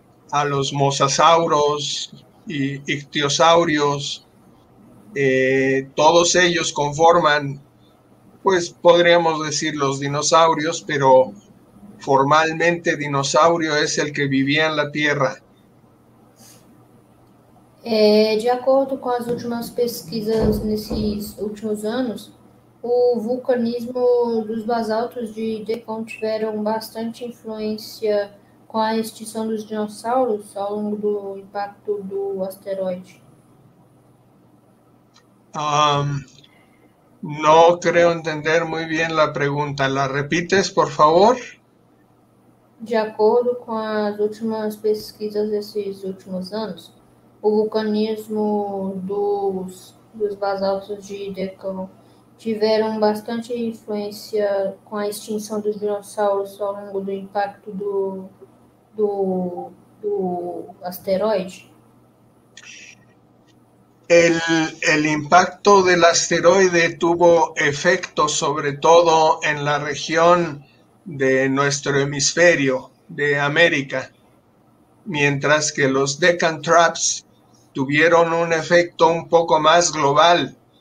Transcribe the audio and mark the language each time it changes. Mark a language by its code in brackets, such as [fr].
[es] a los mosasauros y ictiosaurios. Todos ellos conforman, pues podríamos decir los dinosaurios, pero formalmente dinosaurio es el que vivía en la Tierra. [pt] De acordo com as últimas pesquisas nesses últimos anos, o vulcanismo dos basaltos de Deccan tiveram bastante influência com a extinção dos dinossauros ao longo do impacto do asteroide. [es] No creo entender muy bien la pregunta. ¿La repites, por favor? [pt] De acordo com as últimas pesquisas desses últimos anos, o vulcanismo dos basaltos de Deccan tiveram bastante influência com a extinção dos dinossauros ao longo do impacto do asteroide. [es] El impacto del asteroide tuvo efecto sobre todo en la región de nuestro hemisferio de América, mientras que los Deccan Traps tuvieron un efecto un poco más global.